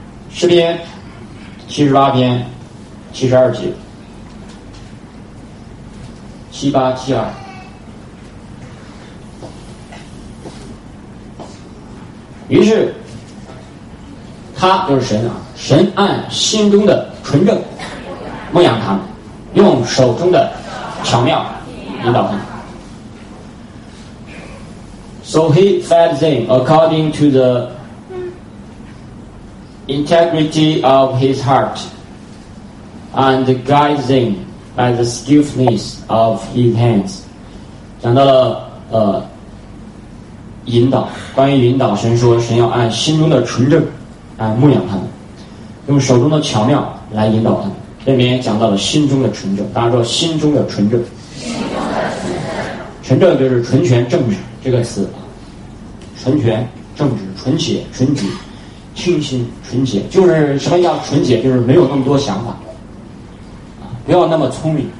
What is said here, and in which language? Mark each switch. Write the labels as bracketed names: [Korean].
[Chinese] 诗篇78篇72节7872，于是他就是神啊，神按心中的纯正牧养他们，用手中的巧妙引导他们。 [English] So he fed them according to the integrity of his heart and guided them by the skillfulness of his hands。 [Chinese] 讲到了引导，关于引导，神说神要按心中的纯正来牧养他们，用手中的巧妙来引导他们。这里面也讲到了心中的纯正，大家说心中的纯正，纯正就是纯全正直这个词，纯全正直，纯洁纯洁，清新纯洁，就是什么叫纯洁，就是没有那么多想法，不要那么聪明。